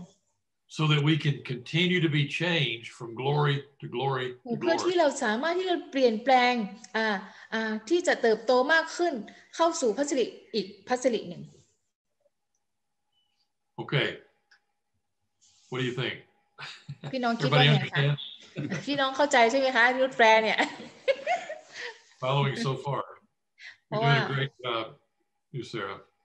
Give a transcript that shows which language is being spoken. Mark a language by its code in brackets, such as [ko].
[en] so that we can continue to be changed from glory to glory [th] เพื่อที่เราสามารถที่จะเปลี่ยนแปลงที่จะเติบโตมากขึ้นเข้าสู่พระสิริอีกพระสิริหนึ่ง [en] okay what do you think [th] พี่น้องคิดว่าไงคะพี่น้องเข้าใจใช่ไหมคะรูดแฟร์เนี่ย [en] following so far You're doing a great job, you, Sarah.